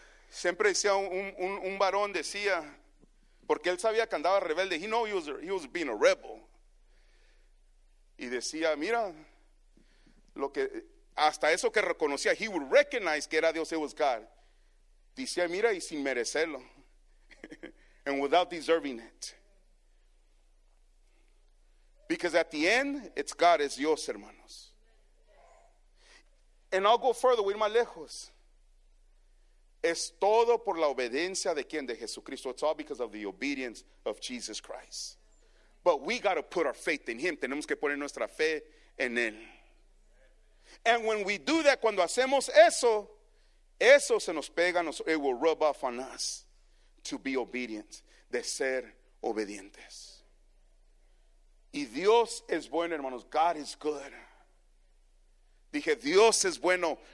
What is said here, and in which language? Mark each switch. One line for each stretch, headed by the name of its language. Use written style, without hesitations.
Spanish: Siempre decía un varón, decía, porque él sabía que andaba rebelde,
English: he was being a rebel.
Spanish: Y decía, mira, lo que hasta eso que reconocía,
English: he would recognize
Spanish: que era Dios,
English: it was God.
Spanish: Decía, mira, y sin merecerlo.
English: And without deserving it. Because at the end, it's God, it's Dios, hermanos. And I'll go further,
Spanish: voy más lejos. Es todo por la obediencia de quien? De Jesucristo.
English: It's all because of the obedience of Jesus Christ. But we got to put our faith in him.
Spanish: Tenemos que poner nuestra fe en él.
English: And when we do that,
Spanish: cuando hacemos eso, eso se nos pega,
English: it will rub off on us to be obedient,
Spanish: de ser obedientes. Y Dios es bueno, hermanos.
English: God is good.
Spanish: Dije, Dios es bueno.